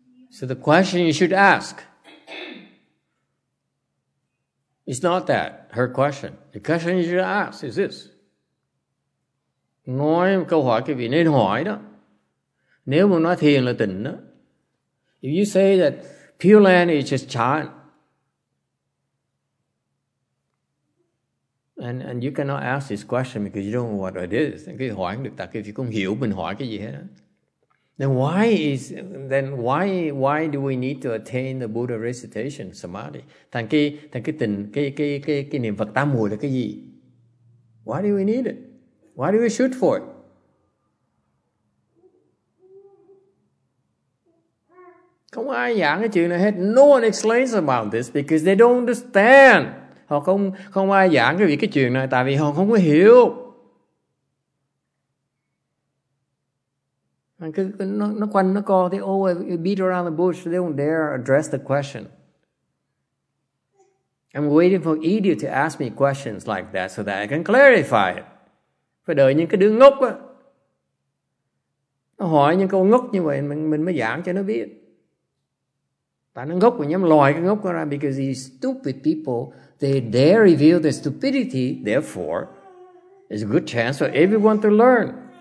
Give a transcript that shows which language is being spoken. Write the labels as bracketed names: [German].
[English] So the question you should ask is not that, her question. The question you should ask is this. [Vietnamese] Nói câu hỏi quý vị nên hỏi đó. Nếu mà nói thiền là tỉnh đó. [English] If you say that Pure Land is just chan, and you cannot ask this question because you don't know what it is. [Vietnamese] Cái hỏi được tại vì không hiểu mình hỏi cái gì hết. [English] Then why do we need to attain the Buddha recitation samadhi? [Vietnamese] Thành cái niệm Phật tam muội là cái gì? [English] Why do we need it? Why do we shoot for it? [Vietnamese] Không ai giảng cái chuyện này hết. [English] No one explains about this because they don't understand. [Vietnamese] Họ không ai giảng cái chuyện này tại vì họ không có hiểu. Nó quanh nó co thì [English] beat around the bush. They don't dare address the question. I'm waiting for idiot to ask me questions like that so that I can clarify it. [Vietnamese] Phải đợi những cái đứa ngốc á. Nó hỏi những câu ngốc như vậy mình mới giảng cho nó biết. Tại nó ngốc mà nhắm lòi cái ngốc ra. [English] Because these stupid people, they dare reveal their stupidity. Therefore, it's a good chance for everyone to learn.